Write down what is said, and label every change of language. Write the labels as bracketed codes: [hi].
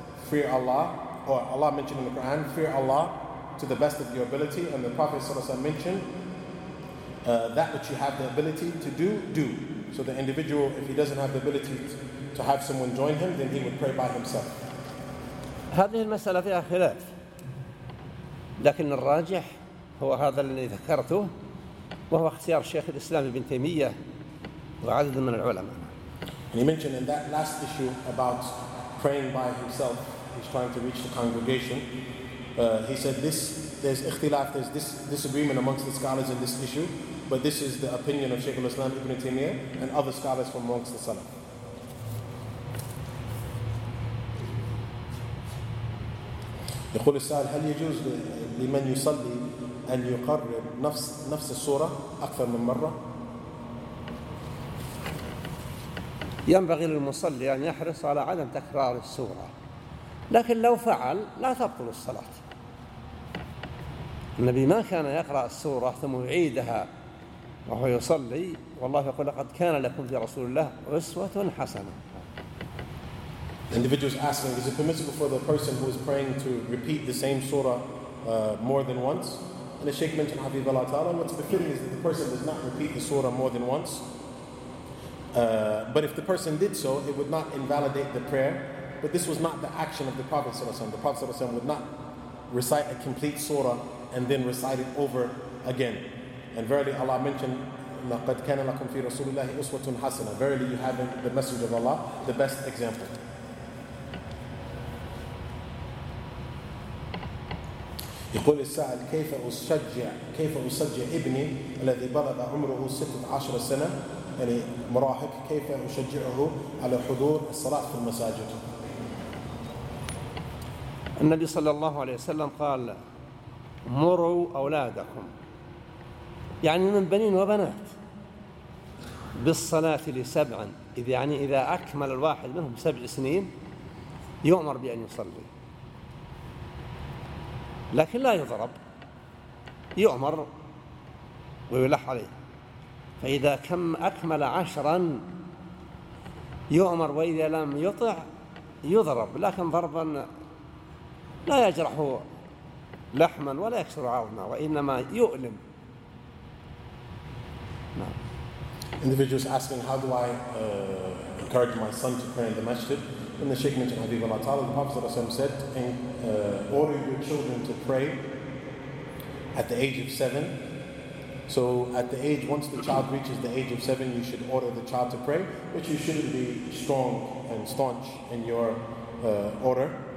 [en] fear Allah, or Allah mentioned in the Quran, fear Allah to the best of your ability. And the Prophet ﷺ mentioned that which you have the ability to do, do. So the individual, if he doesn't have the ability to have someone join him, then he would pray by himself. [ar] هذه المسألة فيها خلاف، لكن الراجح هو هذا الذي ذكرته، وهو اختيار شيخ الإسلام ابن تيمية وعدد من العلماء. [en] And he mentioned in that last issue about praying by himself, he's trying to reach the congregation. He said this, there's اختلاف, there's this disagreement amongst the scholars in this issue, but this is the opinion of Shaykh al-Islam Ibn Taymiyyah and other scholars from amongst the Salaf. [ar] يقول السائل هل يجوز لمن يصلي أن يقرب نفس السورة أكثر من مرة؟ ينبغي للمصلي أن يحرص على عدم تكرار السورة، لكن لو فعل لا تبطل الصلاة. النبي ما كان يقرأ السورة ثم يعيدها وهو يصلي، والله يقول لقد كان لكم في رسول الله أسوة حسنة. [en] The individual is asking, is it permissible for the person who is praying to repeat the same surah more than once? And the Shaykh mentioned, Habib Allah Ta'ala, what's befitting is that the person does not repeat the surah more than once. But if the person did so, it would not invalidate the prayer. But this was not the action of the Prophet ﷺ. The Prophet ﷺ would not recite a complete surah and then recite it over again. And verily Allah mentioned, [ar] لَقَدْ كَانَ لَكُمْ فِي رَسُولِ اللَّهِ أُسْوَةٌ حَسَنَةٌ. [en] Verily you have the message of Allah, the best example. [ar] يقول السائل كيف أشجع ابني الذي بلغ عمره 16 سنة يعني مراهق كيف أشجعه على حضور الصلاة في المساجد؟ النبي صلى الله عليه وسلم قال مروا أولادكم يعني من بنين وبنات بالصلاة لسبع إذ يعني إذا أكمل الواحد منهم سبع سنين يؤمر بأن يصلي لكن لا يضرب يؤمر ويلح عليه فإذا كم أكمل عشرا يؤمر وإذا لم يطع يضرب لكن ضربا لا يجرح لحما ولا يكسر عظما وإنما يؤلم نعم. [en] Individual is asking how do I encourage my son to pray in the masjid. And the Shaykh mentioned Habib Allah Ta'ala, the Prophet said, order your children to pray at the age of seven. So at the age, once the child reaches the age of seven, you should order the child to pray, but you shouldn't be strong and staunch in your order.